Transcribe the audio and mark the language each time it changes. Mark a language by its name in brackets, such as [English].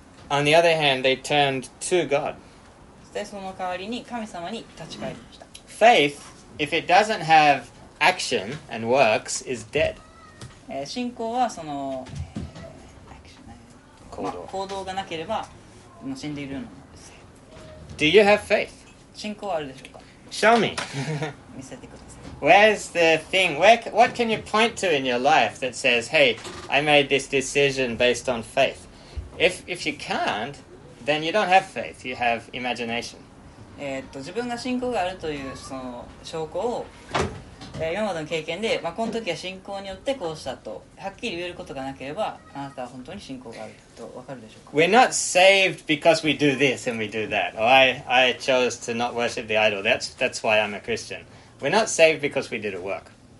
[English] On the other hand, they turned to God. Faith, if it doesn't haveAction and works is dead. [Japanese] 信仰はその、行動がなければ死んでいるのです。 [English] Do you have faith? [Japanese] 信仰はあるでしょうか? [English] Show me. [Japanese] 見せてください。 [English] Where's the thing? Where, what can you point to in your life that says, hey, I made this decision based on faith? If you can't, then you don't have faith. You have imagination. [Japanese] 自分が信仰があるというその証拠を今までの経験で、まあ、この時は信仰によってこうしたとはっきり言えることがなければあなたは本当に信仰があるとわかるでしょうか [English] We're not saved because we do this and we do that I chose to not worship the idol That's why I'm a Christian We're not saved because we did a work